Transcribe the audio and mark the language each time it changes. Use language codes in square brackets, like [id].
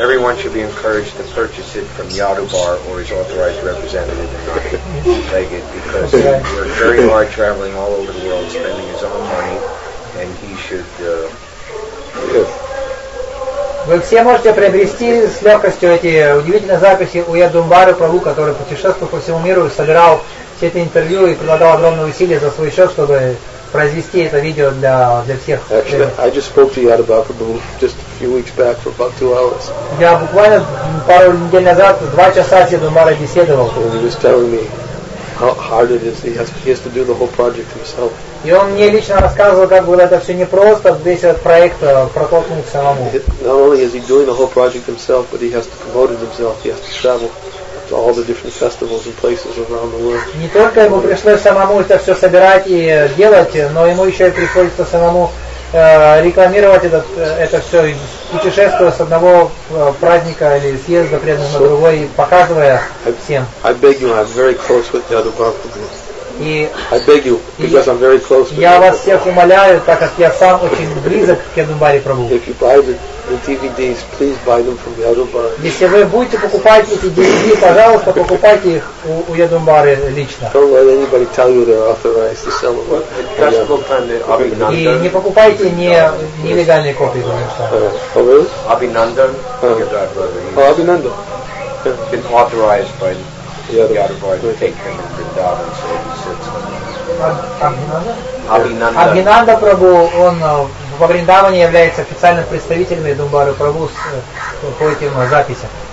[en] Everyone should be encouraged to purchase it from Yadumbara or his authorized representative and not beg it, because we're very hard traveling all over the world, spending his own money, and he should. [ru] Вы все можете приобрести с легкостью эти удивительные записи у Yadumbara Prabhu, который путешествовал по всему миру и собирал все это интервью и прилагал огромные усилия за свой счет, чтобы произвести это видео для всех. [en] Actually, I just spoke to Yadumbara Prabhu just a few weeks back for about 2 hours. [ru] Я буквально пару недель назад 2 часа с Yadumbara беседовал. [en] And he was telling me how hard it is. He has to do the whole project himself. [ru] И он мне лично рассказывал, как было это все непросто, весь этот проект протолкнуть самому. [en] Not only is he doing the whole project himself, but he has to promote it himself. He has to travel to all the different festivals and places around the world. [ru] Не только ему пришлось самому это все собирать и делать, но ему еще и приходится самому рекламировать этот, это все, путешествуя с одного праздника или съезда преданных на другой, показывая всем. [en] I beg you, I'm very close with Yadu Prabhupada. I beg you, because I'm very close with [ru] Я вас всех умоляю, так как я сам очень близок к Ядубари Прабу. [en] If you buy the DVDs, please buy them from Yadubari. [ru] Если вы будете покупать эти DVD, пожалуйста, покупайте их у Ядубари лично. [en] Don't let anybody tell you they're authorized to sell them. [ru] И не покупайте нелегальные копии, потому что. [en] Oh, really? Abhinandan. Oh, Abhinandan. Been authorized by Abhinanda. [ru] Abhinanda Prabhu, он во Вриндаване является официальным представителем Ядубари Прабу с по этим записям.